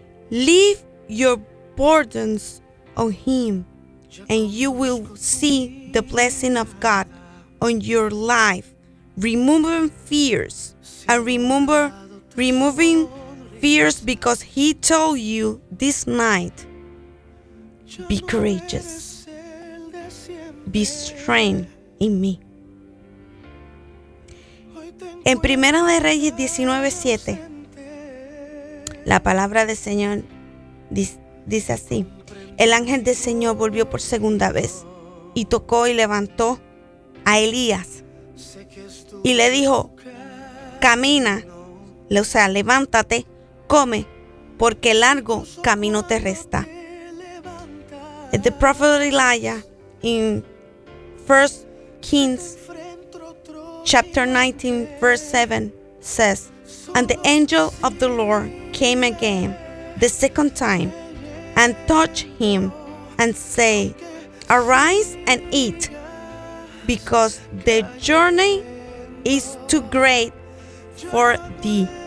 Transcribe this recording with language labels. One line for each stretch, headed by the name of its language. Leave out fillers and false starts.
English: Leave your burdens on him, and you will see the blessing of God on your life. Removing fears, because he told you this night, be courageous, be strong in me.
Spanish: En Primera de Reyes 19:7, la palabra del Señor dice así: el ángel del Señor volvió por segunda vez y tocó y levantó a Elías y le dijo: camina, o sea, levántate, come, porque largo camino te resta.
English: The prophet Elijah in 1 Kings chapter 19 verse 7 says, and the angel of the Lord came again the second time and touched him and say, arise and eat, because the journey is too great for thee.